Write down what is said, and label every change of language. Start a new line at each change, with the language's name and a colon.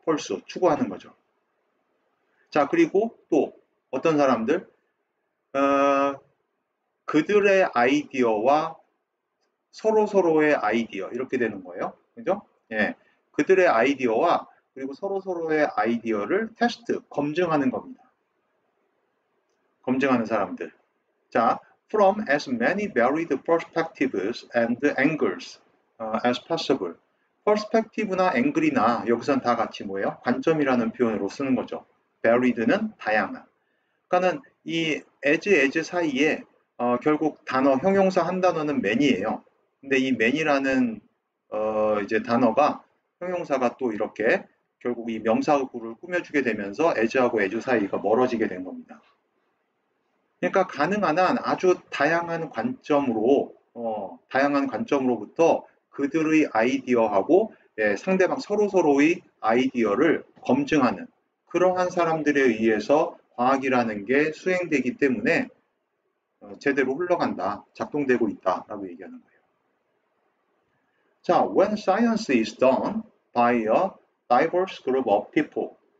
Korean: pulse 추구하는 거죠. 자, 그리고 또 어떤 사람들 그들의 아이디어와 서로서로의 아이디어 이렇게 되는 거예요. 그죠? 예. 그들의 아이디어와 그리고 서로서로의 아이디어를 테스트, 검증하는 겁니다. 검증하는 사람들.
English: 자, from as many varied perspectives and angles as possible.
Korean: perspective나 angle이나 여기선 다 같이 뭐예요? 관점이라는 표현으로 쓰는 거죠. varied는 다양한. 그러니까는 이 as 사이에 결국 단어, 형용사 한 단어는 many예요. 근데 이 many라는 이제 단어가 형용사가 또 이렇게 결국 이 명사구를 꾸며주게 되면서 as하고 as 사이가 멀어지게 된 겁니다. 그러니까 가능한 한 아주 다양한 관점으로, 다양한 관점으로부터 그들의 아이디어하고 상대방 서로서로의 아이디어를 검증하는 그러한 사람들에 의해서 과학이라는 게 수행되기 때문에 제대로 흘러간다, 작동되고 있다라고 얘기하는 거예요.
English: 자, when science is done by a diverse group of people.